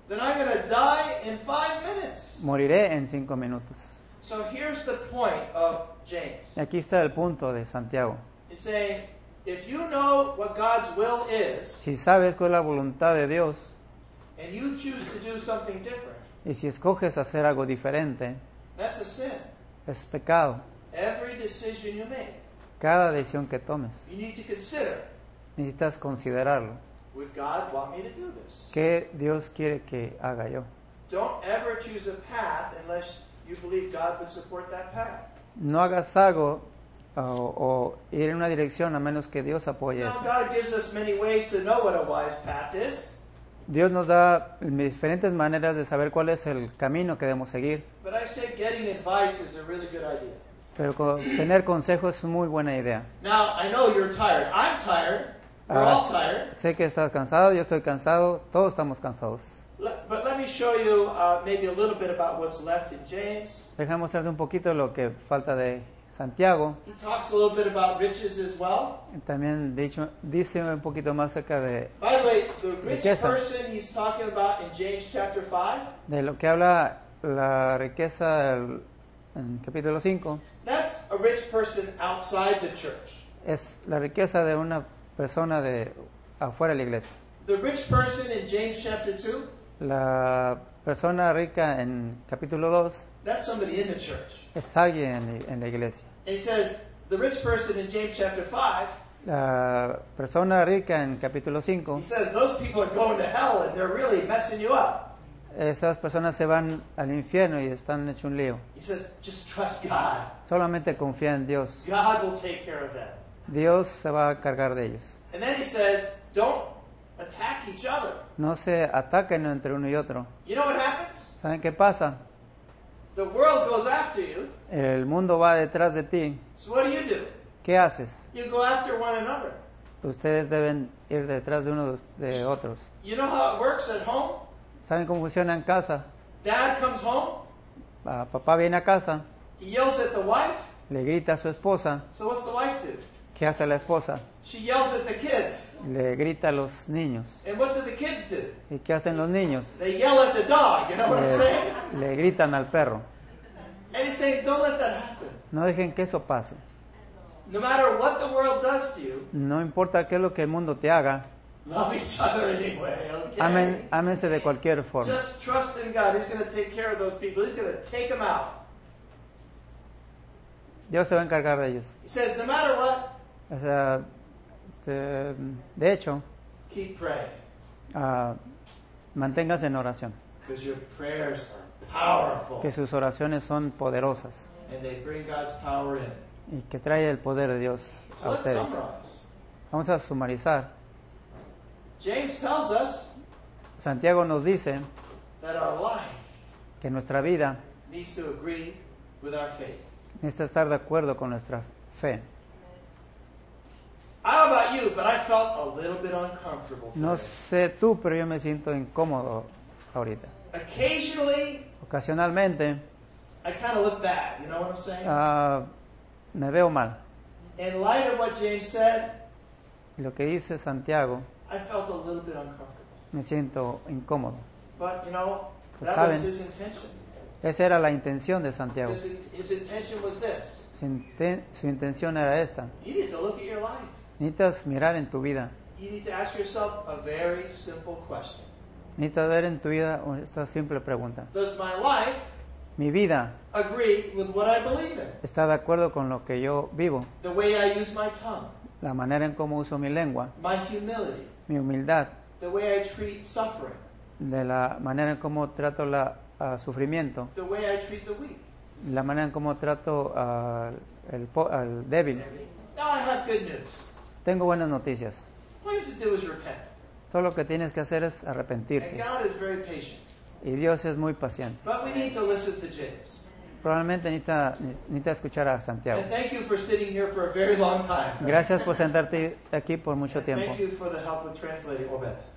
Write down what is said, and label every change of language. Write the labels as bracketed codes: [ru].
[en] then I'm going to die in 5 minutes. [es] Moriré en 5 minutos. [en] So here's the point of James. [es] Aquí está el punto de Santiago. [en] He's saying, If you know what God's will is, [es] si sabes cuál es la voluntad de Dios, [en] and you choose to do something different, [es] y si escoges hacer algo diferente, [en] that's a sin. [es] Es pecado. [en] Every decision you make, [es] cada decisión que tomes, [en] you need to consider, [es] necesitas considerarlo. [en] Would God want me to do this? [es] ¿Qué Dios quiere que haga yo? [en] Don't ever choose a path unless you believe God would support that path. [es] No hagas algo o ir en una dirección a menos que Dios apoye eso. [en] Now God gives us many ways to know what a wise path is. [es] Dios nos da diferentes maneras de saber cuál es el camino que debemos seguir. [en] But I say getting advice is a really good idea. [es] Pero tener consejos es muy buena idea. [en] Now I know you're tired. I'm tired. We're all tired. [es] Sé que estás cansado. Yo estoy cansado. Todos estamos cansados. [en] But let me show you maybe a little bit about what's left in James. [es] Déjame mostrarte un poquito lo que falta de Santiago. [en] He talks a little bit about riches as well. [es] También dice un poquito más acerca de [en] By the way, the rich [es] riqueza. [en] Person he's talking about in James chapter 5. [es] De lo que habla la riqueza en capítulo 5. [en] That's a rich person outside the church. [es] Es la riqueza de una persona de afuera de la iglesia. [en] The rich person in James chapter 2. [es] La persona rica en capítulo 2. [en] That's somebody in the church. [es] Es alguien en la iglesia. [en] And he says, the rich person in James chapter 5. [es] La persona rica en capítulo 5. [en] He says, those people are going to hell and they're really messing you up. [es] Esas personas se van al infierno y están hecho un lío. [en] He says, just trust God. [es] Solamente confía en Dios. [en] God will take care of them. [es] Dios se va a cargar de ellos. [en] And then he says, don't attack each other. [es] No se ataquen entre uno y otro. [en] You know what happens? [es] ¿Saben qué pasa? [en] The world goes after you. [es] El mundo va detrás de ti. [en] So what do you do? [es] ¿Qué haces? [en] You go after one another. [es] Ustedes deben ir detrás de uno de otros. [en] You know how it works at home? [es] ¿Saben cómo funciona en casa? [en] Dad comes home. [es] Papá viene a casa. [en] He yells at the wife. [es] Le grita a su esposa. [en] So what's the wife do? [es] ¿Qué hace la esposa? [en] She yells at the kids. [es] Le grita a los niños. [en] And what do the kids do? [es] ¿Y qué hacen los niños? [en] They yell at the dog, you know what I'm saying? [es] Le gritan al perro. [en] And he's saying, don't let that happen. [es] No dejen que eso pase. [en] No matter what the world does to you, [es] no importa qué es lo que el mundo te haga, [en] love each other anyway, okay? [es] Ámense de cualquier forma. [en] Just trust in God. He's going to take care of those people. He's going to take them out. [es] Dios se va a encargar de ellos. [en] He says, no matter what, [es] o sea, de hecho, [en] keep praying. [es] Manténgase en oración. [en] Because your prayers are powerful. [es] Que sus oraciones son poderosas. [en] And they bring God's power in. [es] Y que trae el poder de Dios a ustedes. Vamos a sumarizar. [en] James tells us, [es] Santiago nos dice, [en] that our life, [es] que nuestra vida, [en] needs to agree with our faith. [es] Necesita estar de acuerdo con nuestra fe. [en] I don't know about you, but I felt a little bit uncomfortable today. [es] No sé tú, pero yo me siento incómodo ahorita. [en] Occasionally, [es] ocasionalmente, [en] I kind of look bad, you know what I'm saying? [es] Me veo mal. [en] In light of what James said, [es] lo que dice Santiago, [en] I felt a little bit uncomfortable. [es] Me siento incómodo. [en] But you know, [es] pues [en] that [es] saben, [en] was his intention. [es] Esa era la intención de Santiago. [en] His intention was this. [es] Su intención era esta. [en] You need to look at your life. [es] Necesitas mirar en tu vida. [en] You need to ask yourself a very simple question. [es] Necesitas ver en tu vida esta simple pregunta. [en] Does my life, [es] mi vida, [en] agree with what I believe in? [es] ¿Está de acuerdo con lo que yo vivo? [en] The way I use my tongue. [es] La manera en cómo uso mi lengua. [en] My humility. [es] Mi humildad. [en] The way I treat suffering. [es] De la manera en cómo trato el sufrimiento. [en] The way I treat the weak. [es] La manera en cómo trato al débil. [en] Now I have good news. [es] Tengo buenas noticias. [en] All you have to do is repent. [es] Solo lo que tienes que hacer es arrepentirte. [en] And God is very patient. [es] Y Dios es muy paciente. [en] But we need to listen to James. [es] Probablemente necesita escuchar a Santiago. [en] And thank you for sitting here for a very long time. [es] Gracias por sentarte aquí por mucho tiempo. [en] Thank you for the help with translating, Obed.